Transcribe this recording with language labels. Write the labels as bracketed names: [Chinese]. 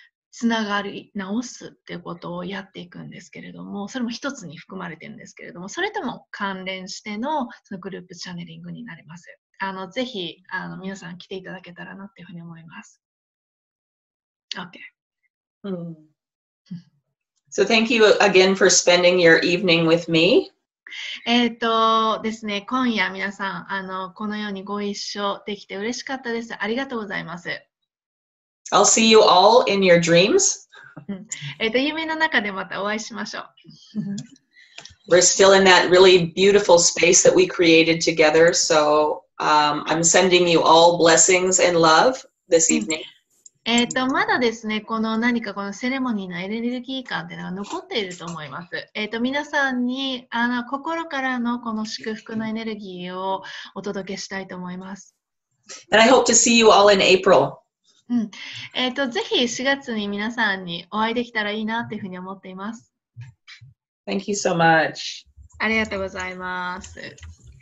[Japanese] つながり直すっていうことをやっていくんですけれども、それも一つに含まれてるんですけれども、それとも関連しての、そのグループチャネリングになります。ぜひ、皆さん来ていただけたらなっていうふうに思います。 OK。うん。 [English] So thank you again for spending your evening with me. [Japanese] ですね、今夜皆さん、このようにご一緒できて嬉しかったです。ありがとうございます。 [English] I'll see you all in your dreams. [Japanese] 夢の中でまたお会いしましょう。 [English] We're still in that really beautiful space that we created together, so I'm sending you all blessings and love this evening. [Japanese] まだですね、この何かこのセレモニーのエネルギー感というのが残っていると思います。皆さんに心からのこの祝福のエネルギーをお届けしたいと思います。 [English] And I hope to see you all in April. [Japanese] ぜひ4月に皆さんにお会いできたらいいなというふうに思っています。 [English] Thank you so much. [Japanese] ありがとうございます。